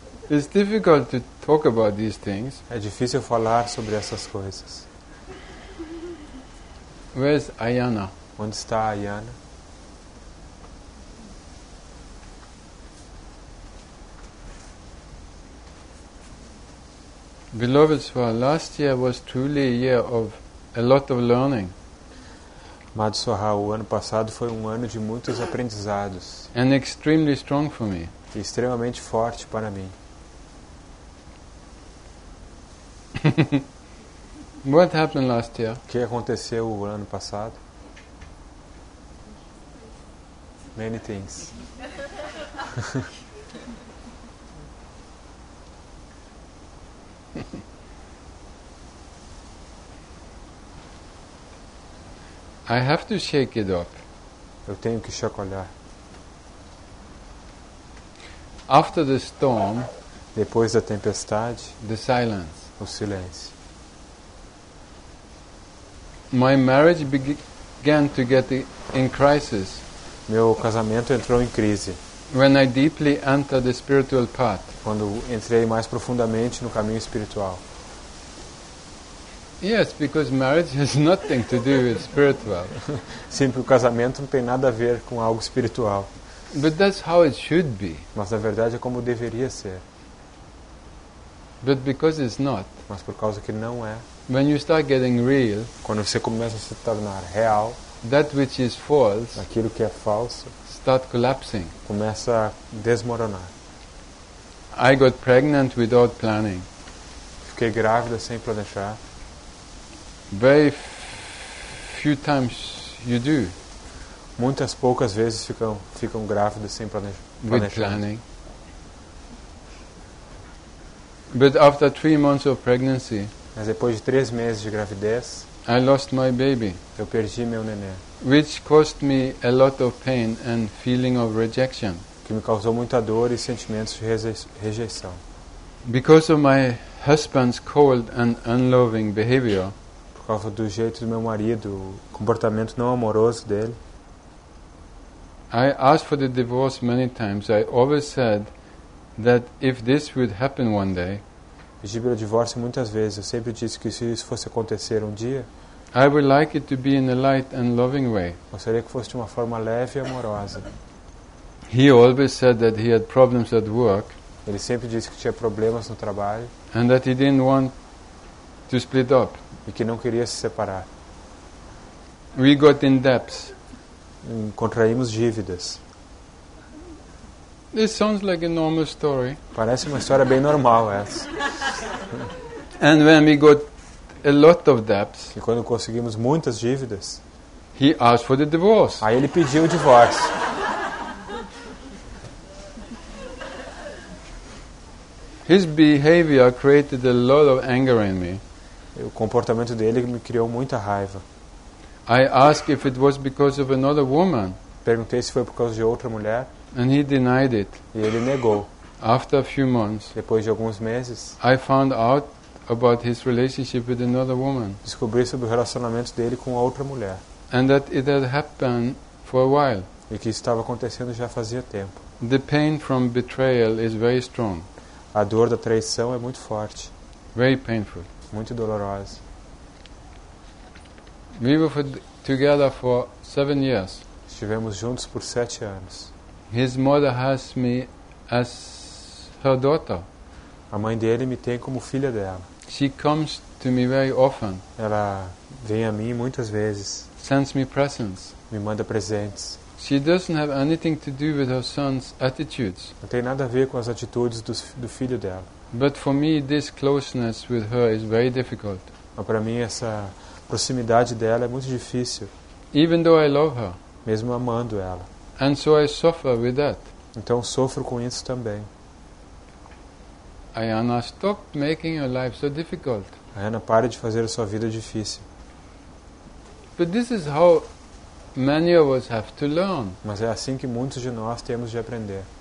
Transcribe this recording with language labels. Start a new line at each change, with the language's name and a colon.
English: It's difficult to talk about these things.
Portuguese: É difícil falar sobre essas coisas.
English: Where's Ayana?
Portuguese: Onde está a Ayana?
English: Beloved Swaha, last year was truly a year of a lot of learning.
Portuguese: Amado Swaha, o ano passado foi um ano de muitos aprendizados.
English: And extremely strong for me.
Portuguese: E extremamente forte para mim.
English: What happened last year?
Portuguese: O que aconteceu o ano passado?
English: Many things. I have to shake it up.
Portuguese: Eu tenho que chacoalhar.
English: After the storm,
Portuguese: depois da tempestade,
English: the silence,
Portuguese: o silêncio.
English: My marriage began to get in crisis.
Portuguese: Meu casamento entrou em crise.
English: When I deeply entered the spiritual path.
Portuguese: Quando entrei mais profundamente no caminho espiritual.
English: Yes, because marriage has nothing to do with spiritual.
Portuguese: Sim, porque o casamento não tem nada a ver com algo espiritual.
English: But that's how it should be.
Portuguese: Mas na verdade é como deveria ser.
English: But because it's not.
Portuguese: Mas por causa que não é.
English: When you start getting real,
Portuguese: quando você começa a se tornar real,
English: that which is false,
Portuguese: aquilo que é falso,
English: start collapsing,
Portuguese: começa a desmoronar.
English: I got pregnant without planning.
Portuguese: Fiquei grávida sem planejar.
English: Very few times you do.
Portuguese: Muitas poucas vezes ficam grávidas sem planejar.
English: With planning. But after 3 months of pregnancy,
Portuguese: mas depois de 3 meses de gravidez,
English: I lost my baby.
Portuguese: Eu perdi meu neném.
English: Which caused me a lot of pain and feeling of rejection.
Portuguese: Que me causou muita dor e sentimentos de rejeição.
English: Because of my husband's cold and unloving behavior.
Portuguese: Por causa do jeito do meu marido, comportamento não amoroso dele.
English: I asked for the divorce many times. I always said that if this would happen one day,
Portuguese: pedi pelo divórcio muitas vezes. Eu sempre disse que se isso fosse acontecer um dia,
English: I would like it to be in a light and loving way.
Portuguese: Gostaria que fosse de uma forma leve e amorosa.
English: He always said that he had problems at work.
Portuguese: Ele sempre disse que tinha problemas no trabalho.
English: And that he didn't want to split up.
Portuguese: E que não queria se separar.
English: We got in debts.
Portuguese: Contraímos dívidas.
English: This sounds like a normal story.
Portuguese: Parece uma história bem normal essa.
English: And when we got a lot of debts,
Portuguese: e quando conseguimos muitas dívidas,
English: he asked for the divorce.
Portuguese: Aí ele pediu o divórcio.
English: His behavior created a lot of anger in me.
Portuguese: O comportamento dele me criou muita raiva.
English: I asked if it was because of another woman.
Portuguese: Perguntei se foi por causa de outra mulher.
English: And he denied it.
Portuguese: E ele negou.
English: After a few months,
Portuguese: depois de alguns meses,
English: I found out about his relationship with another woman.
Portuguese: Descobri sobre o relacionamento dele com outra mulher.
English: And that it had happened for a while.
Portuguese: E que isso estava acontecendo já fazia tempo.
English: The pain from betrayal is very strong.
Portuguese: A dor da traição é muito forte.
English: Very painful.
Portuguese: Muito dolorosa.
English: We were together for 7 years.
Portuguese: Estivemos juntos por 7 anos.
English: His mother has me as her daughter.
Portuguese: A mãe dele me tem como filha dela.
English: She comes to me very often.
Portuguese: Ela vem a mim muitas vezes.
English: Sends me presents.
Portuguese: Me manda presentes.
English: She doesn't have anything to do with her son's attitudes.
Portuguese: Não tem nada a ver com as atitudes do filho dela.
English: But for me, this closeness with her is very difficult.
Portuguese: Mas para mim essa proximidade dela é muito difícil.
English: Even though I love her.
Portuguese: Mesmo amando ela.
English: And so I suffer with that.
Portuguese: Então sofro com isso também.
English: Ayana, stop making your life so difficult.
Portuguese: Ayana, pare de fazer a sua vida difícil.
English: But this is how many of us have to learn.
Portuguese: Mas é assim que muitos de nós temos de aprender.